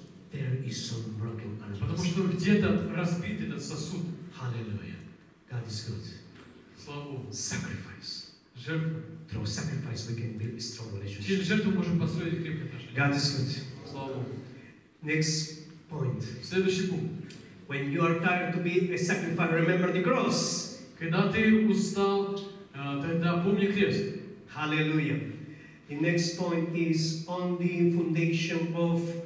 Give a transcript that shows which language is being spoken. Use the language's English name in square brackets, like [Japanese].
[English] There is some broken alabaster. [Russian] Потому что где-то разбит этот сосуд. [English] Hallelujah. God is good. [Russian] Слава Богу. [English] Sacrifice. [Russian] Жертву. [English] Through sacrifice we can build a strong relationship. [Russian] Через жертву можем построить крепкие отношения. [English] God is good. [Russian] Слава Богу. [English] Next point. [Russian] Следующий пункт. [English] When you are tired to be a sacrifice, remember the cross. [Russian] Когда ты устал, тогда помни крест. [English] Hallelujah. The next point is on the foundation of